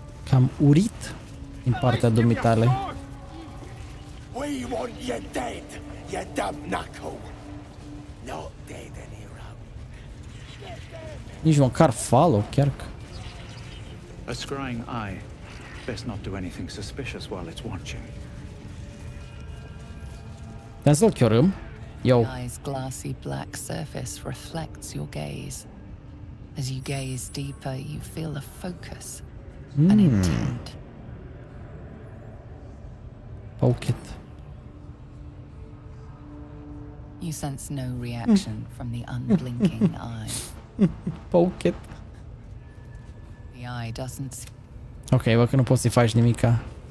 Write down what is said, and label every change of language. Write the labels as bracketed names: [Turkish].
[Romanian] Cam urit din partea dumitale. [English] We want you dead! You damn knuckle! Not dead any rum. [Romanian] Nici măcar follow, chiar. [English] A scrying eye. Best not do anything suspicious while it's watching. [Romanian] Dar să-l chiorâm. Yo. [English] The eye's glassy black surface reflects your gaze. As you gaze deeper, you feel a focus. An intent. Poke it. You sense no reaction from the unblinking eye. Poke it. The eye doesn't see. [Romanian] Ok, vă că nu poți să-i faci nimica.